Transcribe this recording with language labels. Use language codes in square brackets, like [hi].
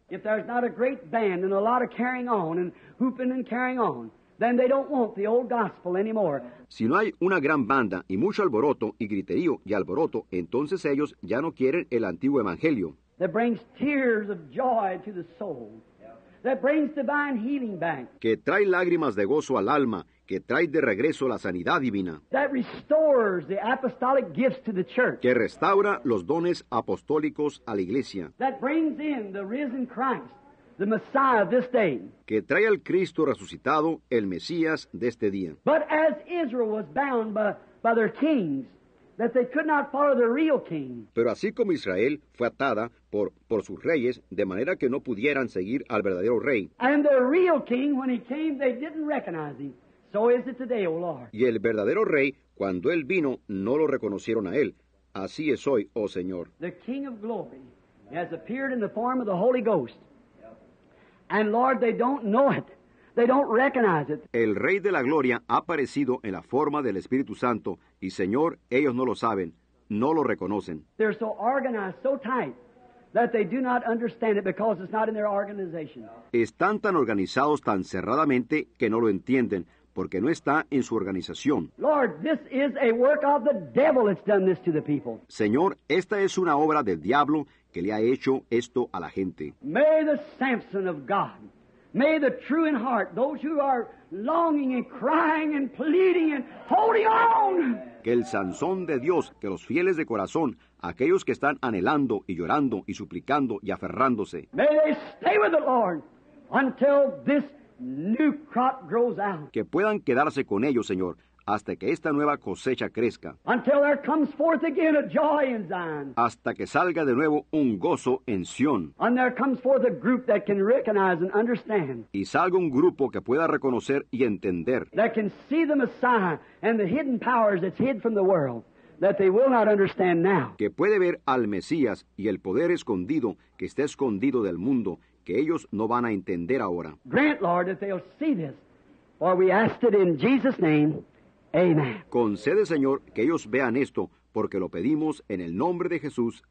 [en] If there's not a great band and a lot of carrying on and hooping and carrying on, then they don't want the old gospel anymore. [es] Si no hay una gran banda y mucho alboroto y griterío y alboroto, entonces ellos ya no quieren el antiguo evangelio. [en] That brings tears of joy to the soul. That brings divine healing back. [es] Que trae lágrimas de gozo al alma, que trae de regreso la sanidad divina. [en] That restores the apostolic gifts to the church. [es] Que restaura los dones apostólicos a la iglesia. [en] That brings in the risen Christ, the Messiah of this day. [es] Que trae al Cristo resucitado, el Mesías de este día. [en] But as Israel was bound by their kings, that they could not follow their real king. [es] Pero así como Israel fue atada por sus reyes, de manera que no pudieran seguir al verdadero rey. [en] And their real king, when he came, they didn't recognize him. So is it today, O Lord. [es] Y el verdadero rey, cuando él vino, no lo reconocieron a él. Así es hoy, oh Señor. [en] The King of Glory has appeared in the form of the Holy Ghost. And Lord, they don't know it. They don't recognize it. [es] El Rey de la Gloria ha aparecido en la forma del Espíritu Santo, y Señor, ellos no lo saben, no lo reconocen. [en] They're so organized, so tight, that they do not understand it because it's not in their organization. [es] Están tan organizados tan cerradamente que no lo entienden, porque no está en su organización. [en] Lord, this is a work of the devil that's done this to the people. [es] Señor, esta es una obra del diablo que le ha hecho esto a la gente. [en] May the Samson of God, may the true in heart, those who are longing and crying and pleading and holding on. [es] Que el Sansón de Dios, que los fieles de corazón, aquellos que están anhelando y llorando y suplicando y aferrándose. [en] May they stay with the Lord until this new crop grows out. [es] Que puedan quedarse con ellos, Señor, hasta que esta nueva cosecha crezca. [en] Until there comes forth again a joy in Zion. [es] Hasta que salga de nuevo un gozo en Sion. [en] And there comes forth a group that can recognize and understand. [es] Y salga un grupo que pueda reconocer y entender. [en] That can see the Messiah and the hidden powers that's hid from the world. That they will not understand now. [es] Que puede ver al Mesías y el poder escondido que está escondido del mundo, que ellos no van a entender ahora. [en] Grant, Lord, that they'll see this. For we ask it in Jesus' name. Amen. [es] Concede, Señor, que ellos vean esto, porque lo pedimos en el nombre de Jesús.